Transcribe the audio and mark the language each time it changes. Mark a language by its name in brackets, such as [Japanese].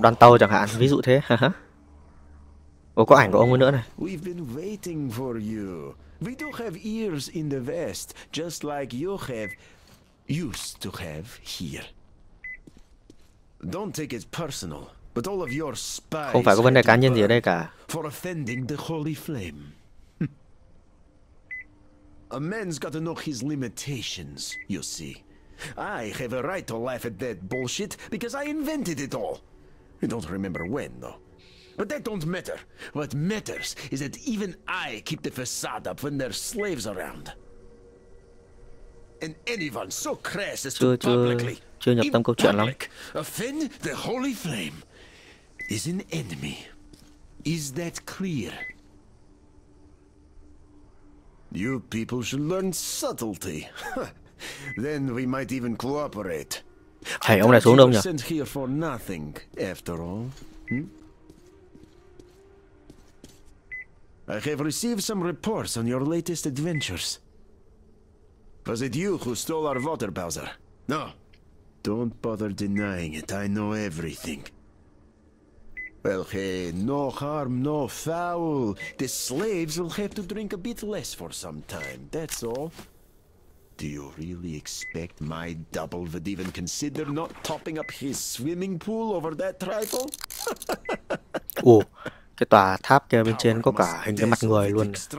[Vietnamese] Đoàn tàu chẳng hạn, ví dụ thế. Ồ, có ảnh của ông ấy nữa này. [English] We've been waiting for you. We do have ears in the vest, just like you have, used to have here. Don't take it personal, but all of your spies. [Vietnamese] Không phải có vấn đề cá nhân gì ở đây cả. [English] For offending the holy flame. A man's got to know his limitations, you see. I have a right to laugh at that bullshit because I invented it all. I don't remember when, though. But that don't matter. What matters is that even I keep the facade up when there's slaves around. And anyone so crass as to publicly, [Vietnamese] chưa nhập tâm câu chuyện lắm. [English] Offend the holy flame is an enemy. Is that clear? You people should learn subtlety. Then we might even cooperate. [Vietnamese] Hey, ông lại xuống đâu nhỉ? [English] Sent here for nothing, after all. I have received some reports on your latest adventures. Was it you who stole our water, Bowser? No. Don't bother denying it. I know everything. Well, hey, no harm, no foul. The slaves will have to drink a bit less for some time. That's all. Do you really expect my double would even consider not topping up his swimming pool over that trifle? Oh. [Vietnamese] Cái tòa tháp kia bên trên có cả hình cái mặt người luôn.